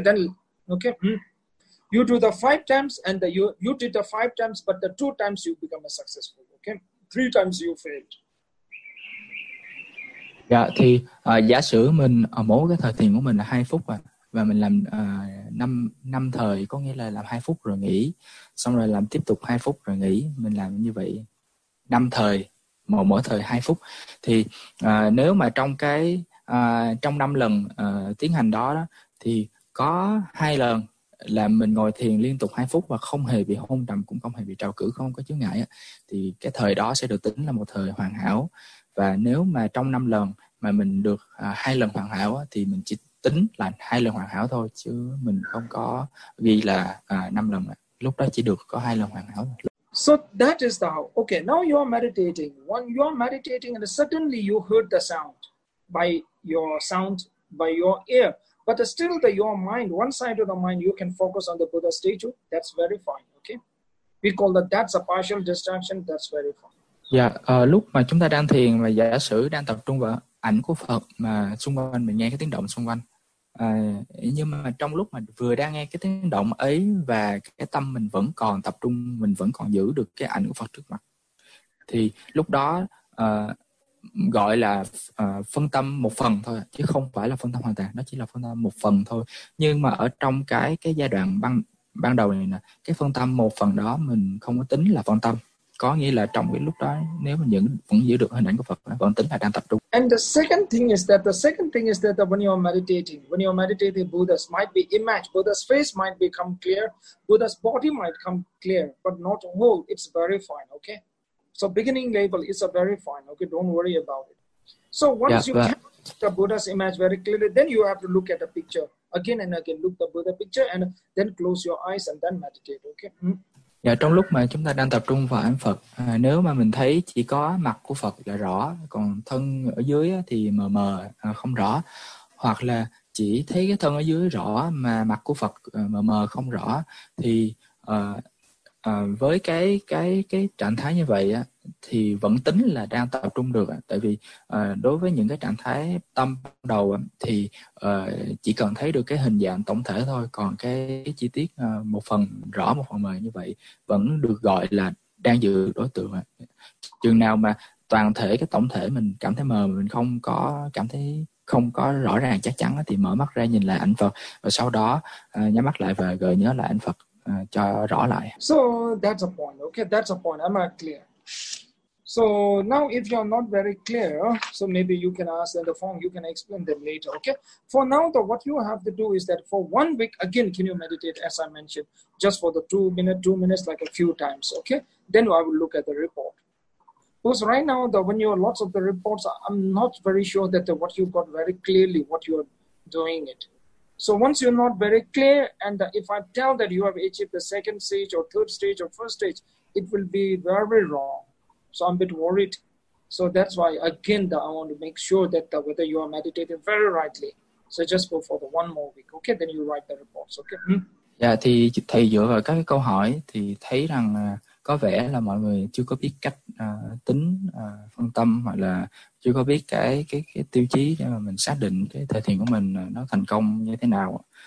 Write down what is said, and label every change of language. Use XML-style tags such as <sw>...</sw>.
<en>Then okay, you do the 5 times and the you did the 5 times, but the 2 times you become a successful, okay? 3 times you failed.</en> <vi>Dạ, thì giả sử mình mỗi cái thời tiền của mình là 2 phút à, và mình làm năm thời, có nghĩa là làm 2 phút rồi nghỉ, xong rồi làm tiếp tục 2 phút rồi nghỉ, mình làm như vậy 5 thời, mỗi thời 2 phút, thì nếu mà trong cái trong 5 lần tiến hành đó thì có 2 lần là mình ngồi thiền liên tục 2 phút và không hề bị hôn trầm, cũng không hề bị trào cử, không có chướng ngại, thì cái thời đó sẽ được tính là một thời hoàn hảo. Và nếu mà trong 5 lần mà mình được 2 lần hoàn hảo thì mình chỉ tính là 2 lần hoàn hảo thôi, chứ mình không có ghi là 5 lần, lúc đó chỉ được có 2 lần hoàn hảo thôi.</vi> <en>So that is the how. Okay, now you are meditating. When you are meditating and suddenly you heard the sound by your ear. But still the your mind, one side of the mind, you can focus on the Buddha statue. That's very fine, okay? We call that's a partial distraction. That's very fine.</en> <vi>Yeah, lúc mà chúng ta đang thiền và giả sử đang tập trung vào ảnh của Phật mà xung quanh mình nghe cái tiếng động xung quanh. Nhưng mà trong lúc mà vừa đang nghe cái tiếng động ấy và cái tâm mình vẫn còn tập trung, mình vẫn còn giữ được cái ảnh của Phật trước mặt, thì lúc đó gọi là phân tâm một phần thôi, chứ không phải là phân tâm hoàn toàn, nó chỉ là phân tâm một phần thôi. Nhưng mà ở trong cái giai đoạn ban đầu này nè, cái phân tâm một phần đó mình không có tính là phân tâm, có nghĩa là trong cái lúc đó nếu mà vẫn giữ được hình ảnh của Phật vẫn tính là đang tập trung.</vi> <en>And the second thing is that when you are meditating, Buddha's might be image, Buddha's face might become clear, Buddha's body might come clear, but not whole. It's very fine, okay? So beginning level is a very fine, okay? Don't worry about it. So once you catch the Buddha's image very clearly, then you have to look at the picture again and again look the Buddha picture and then close your eyes and then meditate, okay? Mm.</en> <vi>Và trong lúc mà chúng ta đang tập trung vào ảnh Phật, nếu mà mình thấy chỉ có mặt của Phật là rõ, còn thân ở dưới thì mờ mờ, không rõ. Hoặc là chỉ thấy cái thân ở dưới rõ mà mặt của Phật mờ mờ không rõ. Thì với cái trạng thái như vậy thì vẫn tính là đang tập trung được. Tại vì đối với những cái trạng thái tâm đầu thì chỉ cần thấy được cái hình dạng tổng thể thôi. Còn cái chi tiết một phần rõ một phần mờ như vậy vẫn được gọi là đang giữ đối tượng. Chừng nào mà toàn thể cái tổng thể mình cảm thấy mờ, mình không có cảm thấy không có rõ ràng chắc chắn thì mở mắt ra nhìn lại ảnh Phật và sau đó nhắm mắt lại và gợi nhớ lại ảnh Phật cho rõ lại.</vi> <en>So that's a point. Okay, that's a point. Am I clear? So now if you're not very clear, so maybe you can ask in the form, you can explain them later. Okay. For now though, what you have to do is that for 1 week, again, can you meditate as I mentioned, just for the 2 minutes, like a few times. Okay. Then I will look at the report. Because right now, though, when you have lots of the reports, I'm not very sure that what you've got very clearly, what you're doing it. So once you're not very clear, and if I tell that you have achieved the second stage or third stage or first stage, it will be very wrong. So I'm a bit worried. So that's why, again, I want to make sure that whether you are meditating very rightly. So just go for the 1 more week, okay? Then you write the reports, okay? Hmm?</en> <vi>Yeah, thì thầy dựa vào các cái câu hỏi thì thấy rằng có vẻ là mọi người chưa có biết cách tính phân tâm hoặc là chưa có biết cái tiêu chí để mà mình xác định cái thời thiền của mình nó thành công như thế nào.</vi>